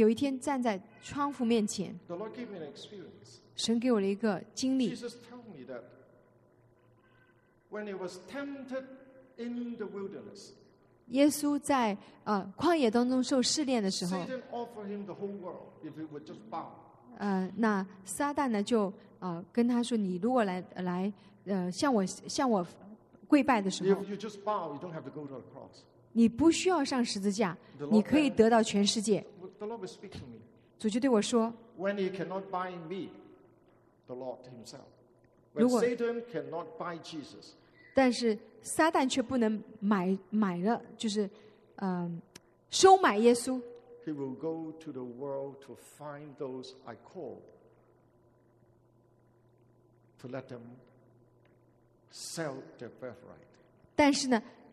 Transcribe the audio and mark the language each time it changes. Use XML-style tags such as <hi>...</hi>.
<zh>我有一天站在窗户面前。</zh> <en>The Lord gave me an experience.</en> <zh>神给我了一个经历。</zh> <en>Jesus told me that when he was tempted in the wilderness,</en> <zh>耶稣在, 旷野当中受试炼的时候,</zh> <en>Satan offered him the whole world if he would just bow.</en> <zh>那撒旦呢就, 跟他说, 你如果来, 向我, 向我跪拜的时候,</zh> <en>if you just bow, you don't have to go to the cross.</en> <zh>你不需要上十字架,</zh> <en>the Lord,</en> <zh>你可以得到全世界。</zh> <en>The Lord will speak to me.</en> <zh>主就对我说,</zh> <en>when he cannot bind me, the Lord himself. When</en> <zh>如果,</zh> <en>Satan cannot bind Jesus.</en> <zh>但是撒旦却不能买了，就是，收买耶稣。</zh> <en>He will go to the world to find those I call to let them sell their birthright.</en>